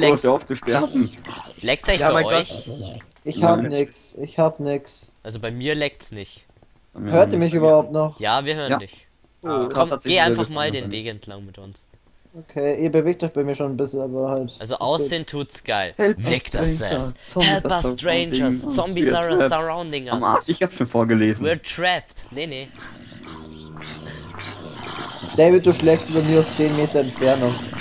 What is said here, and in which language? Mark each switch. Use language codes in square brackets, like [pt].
[de] Markus, hör auf zu sterben. Lag's euch bei euch? Ich hab nix. Ich hab nix. Also bei mir lag's nicht. Hört ihr mich überhaupt noch? Ja, wir hören dich. Oh, komm, geh einfach mal den Weg entlang mit uns. Okay, ihr bewegt euch bei mir schon ein bisschen, aber halt. Also aussehen tut's geil. [en] Victor says, help us strangers, zombies are surrounding us. [de] Am Arsch, ich hab schon vorgelesen. [en] We're trapped. [de] Nee. David, du schlägst über mir aus 10 Meter Entfernung.